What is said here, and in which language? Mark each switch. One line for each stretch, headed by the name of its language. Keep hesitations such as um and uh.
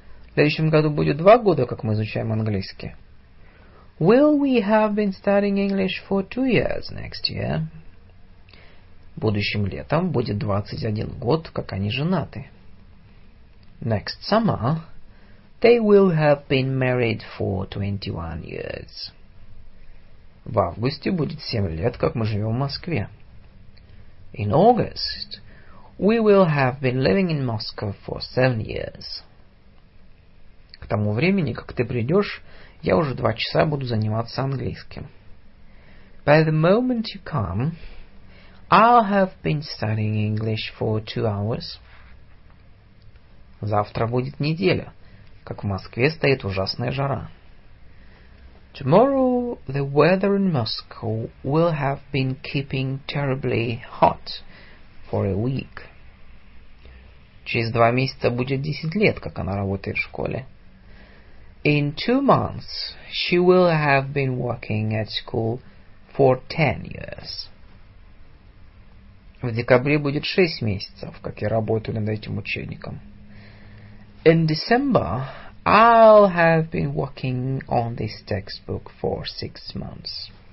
Russian: В следующем году будет два года, как мы изучаем английский.
English: Will we have been studying English for two years next year?
Russian: Будущим летом будет 21 год, как они женаты.
English: Next summer, They will have been married for 21 years.
Russian: В августе будет 7 лет, как мы живем в Москве.
English: In August, we will have been living in Moscow for seven years.
Russian: К тому времени, как ты придешь, я уже два часа буду заниматься английским.
English: By the moment you come, I'll have been studying English for two hours.
Russian: Завтра будет неделя как в Москве стоит ужасная жара.
English: Tomorrow the weather in Moscow will have been keeping terribly hot for a week.
Russian: Через два месяца будет десять лет, как она работает в школе.
English: In two months she will have been working at school for ten years.
Russian: В декабре будет шесть месяцев, как я работаю над этим учебником.
English: In December, I'll have been working on this textbook for six months.